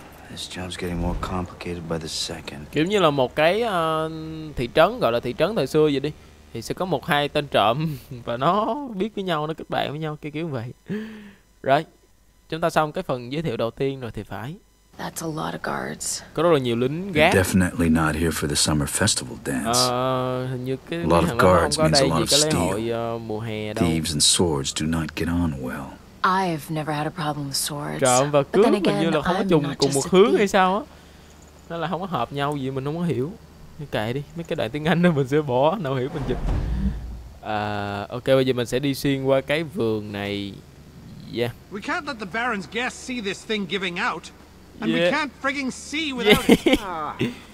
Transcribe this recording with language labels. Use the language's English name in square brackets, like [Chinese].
[English] This job's getting more complicated by the second. [Vietnamese] Kiểu như là một cái thị trấn, gọi là thị trấn thời xưa vậy đi. Thì sẽ có một hai tên trộm và nó biết với nhau, nó kết bạn với nhau, cái kiểu vậy. Rồi, chúng ta xong cái phần giới thiệu đầu tiên rồi thì phải. [English] That's a lot of guards. [Vietnamese] Có rất là nhiều lính gác. [English] You're definitely not here for the summer festival dance. [Vietnamese] Hình như cái lot of guards means a lot of steel. Mùa hè đâu. [English] Thieves and swords do not get on well. I've never had a problem with swords. [Vietnamese] Trộm và cướp hình như là không có trùng cùng một hướng hay sao á. Nó là không có hợp nhau gì, mình không có hiểu. Kệ đi, mấy cái đoạn tiếng Anh đó mình sẽ bỏ, nào hiểu mình dịch. Ok, bây giờ mình sẽ đi xuyên qua cái vườn này. [English] Yeah. We can't let the Baron's guests see this thing giving out. And yeah. We can't frigging see without it.